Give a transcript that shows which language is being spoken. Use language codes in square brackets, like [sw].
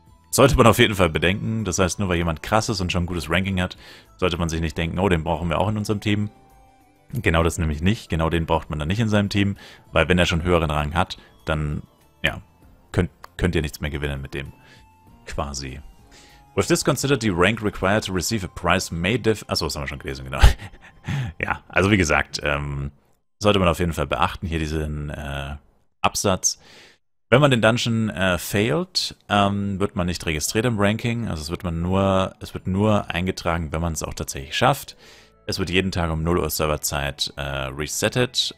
[de] Sollte man auf jeden Fall bedenken. Das heißt, nur weil jemand krass ist und schon ein gutes Ranking hat, sollte man sich nicht denken, oh, den brauchen wir auch in unserem Team. Genau das nämlich nicht. Genau den braucht man dann nicht in seinem Team, weil wenn er schon höheren Rang hat, dann, ja, könnt ihr nichts mehr gewinnen mit dem quasi. [en] With this considered, the rank required to receive a prize may differ. [de] Achso, das haben wir schon gelesen, genau. Ja, also wie gesagt, sollte man auf jeden Fall beachten, hier diesen Absatz. Wenn man den Dungeon failed, wird man nicht registriert im Ranking. Also es wird nur eingetragen, wenn man es auch tatsächlich schafft. Es wird jeden Tag um 0 Uhr Serverzeit resettet.